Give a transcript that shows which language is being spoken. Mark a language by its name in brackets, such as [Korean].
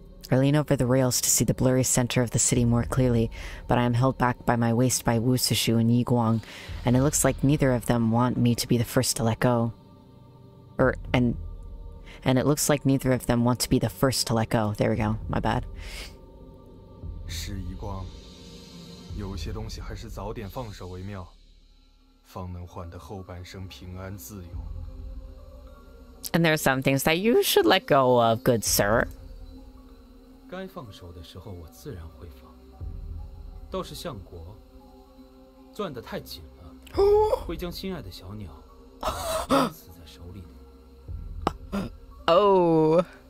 [English] I lean over the rails to see the blurry center of the city more clearly, but I am held back by my waist by Wuxishu and Yi Guang, and it looks like neither of them want me to be the first to let go. And it looks like neither of them want to be the first to let go. There we go. My bad. [Chinese] 时移光，有些东西还是早点放手为妙，方能换得后半生平安自由。 [English] And there are some things that you should let go of, good sir. [Chinese] 该放手的时候我自然会放。倒是相国，攥得太紧了，会将心爱的小鸟压死在手里的。 [English] Oh.